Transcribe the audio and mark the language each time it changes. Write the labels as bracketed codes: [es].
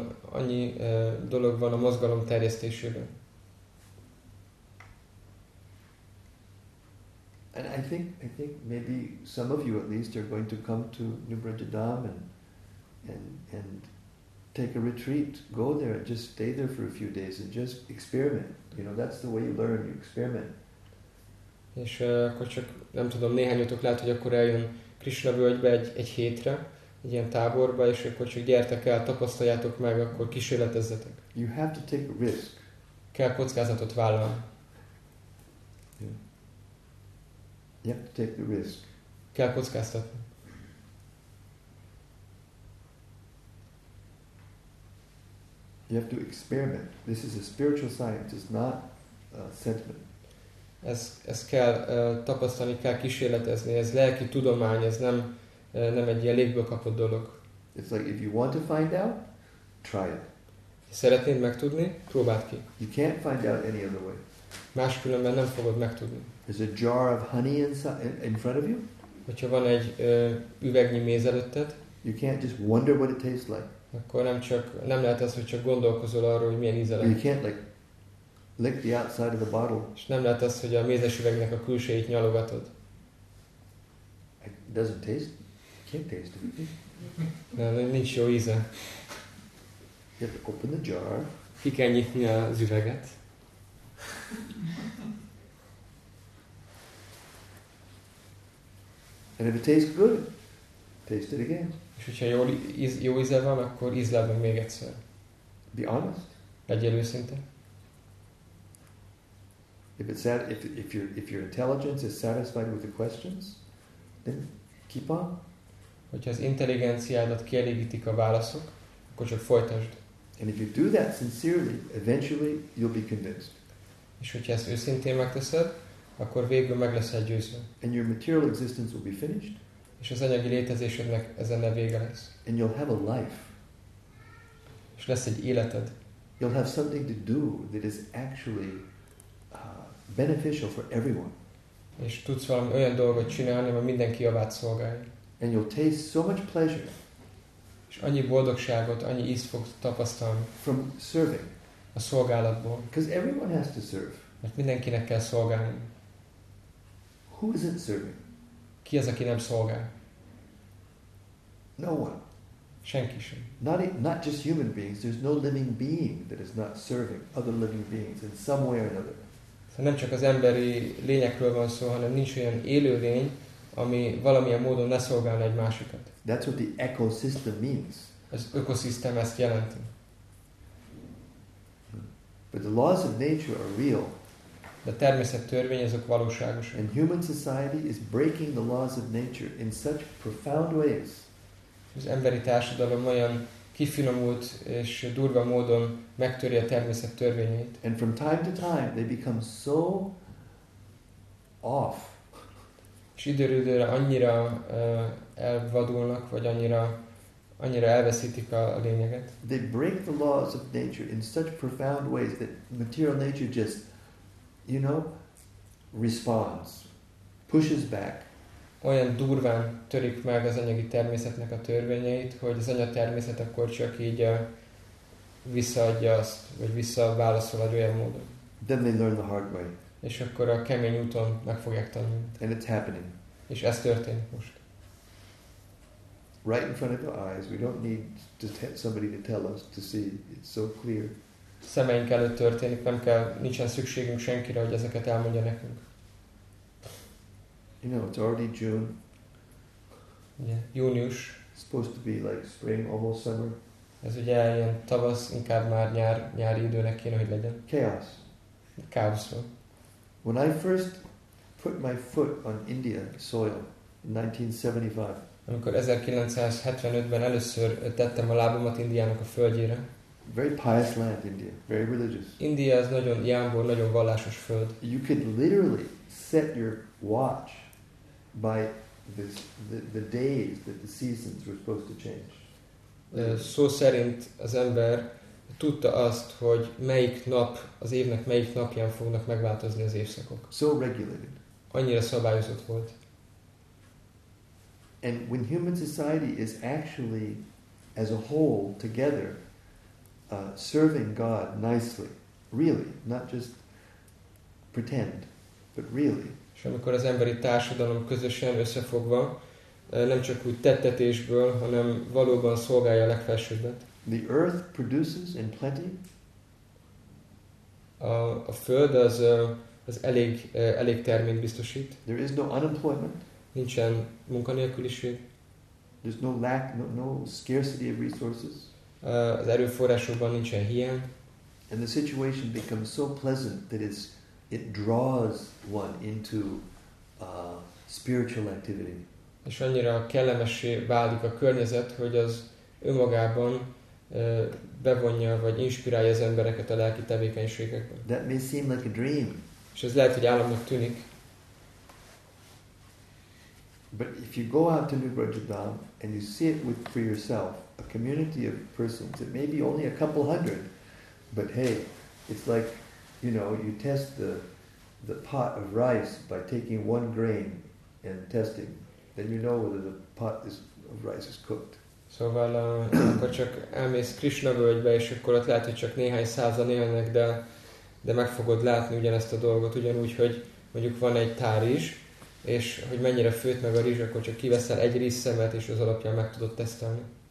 [hu] Annyi dolog van a mozgalom terjesztésében. [en] And I think maybe some of you at least are going to come to New Brajadam and take a retreat, go there and just stay there for a few days and just experiment. You know, that's the way you learn, you experiment. [hu] És akkor csak nem tudom, néhányotok lehet, hogy akkor eljön Krisna völgybe egy hétre, egy ilyen táborba, és akkor csak gyertek el, tapasztaljátok meg, akkor kísérletezzetek. [en] You have to take a risk. [hu] Kell kockázatot vállalni. [en] You have to take the risk. [hu] Kell kockáztatni. [en] You have to experiment. This is a spiritual science. It's not a sentiment. [hu] Ez kell tapasztalni, kell kísérletezni, ez lelki tudomány, ez nem egy ilyen légből kapott dolog. [en] It's like if you want to find out, try it. [hu] Szeretnéd megtudni, próbáld ki. [en] You can't find out any other way. [hu] Máskülönben nem fogod megtudni. [en] There's a jar of honey in front of you. [hu] Hogyha van egy üvegnyi méz előtted, [en] you can't just wonder what it tastes like. [hu] Akkor nem lehet az, hogy csak gondolkozol arról, hogy milyen íze lehet. [en] You can't like lick the outside of the bottle. [hu] És nem lehet az, hogy a mézes üvegnek a külsejét nyalogatod. [en] It doesn't taste. You can't taste it. [hu] Nincs jó íze. [en] You have to open the jar. [hu] Ki kell nyitni az üveget. [en] And if it tastes good, taste it again. [hu] És hogyha jó íze van, akkor ízleld meg még egyszer. [en] Be honest. [hu] Legyél őszinte. [en] If it's if your intelligence is satisfied with the questions, then keep on. [hu] Hogyha az intelligenciádat kielégítik a válaszok, akkor csak folytasd. [en] And if you do that sincerely, eventually you'll be convinced. [hu] És hogyha ezt őszintén megteszed, akkor végül meg leszel győző. [en] And your material existence will be finished. [hu] És az anyagi létezésednek ezen a vége lesz. [en] And you'll have a life. [hu] És lesz egy életed. [en] You'll have something to do that is actually beneficial for everyone. [hu] És tudsz valami olyan dolgot csinálni, ami mindenki javát szolgálja. [en] And you'll taste so much pleasure. [hu] És annyi boldogságot, annyi ízt fogsz tapasztalni. [en] From serving. [hu] A szolgálatból. [en] Because everyone has to serve. [hu] Mert mindenkinek kell szolgálni. [en] Who isn't serving? [hu] Ki az, aki nem szolgál? [en] No one. [hu] Senki sem. [en] Not just human beings. There's no living being that is not serving other living beings in some way or another. [hu] Nem csak az emberi lényekről van szó, hanem nincs olyan élőlény, ami valamilyen módon ne szolgálna egy másikat. [en] That's what the ecosystem means. [hu] Az ökoszisztém ezt jelenti. [en] But the laws of nature are real. [hu] De a természet törvény azok valóságosak. [en] And human society is breaking the laws of nature in such profound ways. [hu] Az emberi társadalom olyan kifinomult és durva módon megtöri a természet törvényeit. [en] And from time to time they become so off. [hu] És időről annyira elvadulnak, vagy annyira elveszítik a lényeget. [en] They break the laws of nature in such profound ways that material nature just, you know, responds, pushes back. [hu] Olyan durván törik meg az anyagi természetnek a törvényeit, hogy az anyatermészet akkor csak így visszaadja azt, vagy visszaválaszol egy olyan módon. [en] Then they learn the hard way. [hu] És akkor a kemény úton meg fogják tanulni. [en] And it's happening. [hu] És ez történik most. [en] Right in front of your eyes, we don't need to somebody to tell us to see. It's so clear. [hu] Szemeink előtt történik, nem kell, nincsen szükségünk senkire, hogy ezeket elmondja nekünk. [en] You know, it's already June. [hu] Yeah, június. [en] It's supposed to be like spring, almost summer. [hu] Ez ugye ilyen tavasz, inkább már nyári időnek kéne, hogy legyen. [en] Chaos. [hu] Káosz van. [en] When I first put my foot on Indian soil in 1975. [hu] Amikor 1975-ben először tettem a lábamat Indiának a földjére. [en] Very pious land, India. Very religious. [hu] India az nagyon jámbor, nagyon vallásos föld. [en] You could literally set your watch by the days that the seasons were supposed to change. [hu] Szó szerint az ember tudta azt, hogy melyik nap az évnek melyik napján fognak megváltozni az évszakok. [en] So regulated. [hu] Annyira szabályozott volt. [en] And when human society is actually as a whole together serving God nicely, really, not just pretend, but really. [hu] És amikor az emberi társadalom közösen összefogva, nem csak úgy tettetésből, hanem valóban szolgálja a legfelsőbbet. [en] The earth produces in plenty. [hu] A föld az elég termény biztosít. [en] There is no unemployment. [hu] Nincsen munkanélküliség. [en] There's no lack, no scarcity of resources. [hu] Az erőforrásokban nincsen hiány. [en] And the situation becomes so pleasant that it draws one into spiritual activity. [hu] És annyira kellemessé válik a környezet, hogy az önmagában bevonja vagy inspirálja az embereket a lelki tevékenységekbe. [en] That may seem like a dream. [hu] És ez lehet, hogy államnak tűnik. [en] But if you go out to Nubrajadam and you see it with for yourself, a community of persons, it may be only a couple hundred, but hey, it's like, you know, you test the pot of rice by taking one grain and testing, then you know whether the pot is of rice is cooked. [hu] Szóval akkor csak elmész Krishna völgybe, és akkor ott lehet, hogy csak néhány százan élnek, de meg fogod látni ugyanezt a dolgot, ugyanúgy, hogy mondjuk van egy tár is, és hogy mennyire főtt meg a rizs, akkor csak kiveszel egy rizszemet, és az alapján meg tudod tesztelni.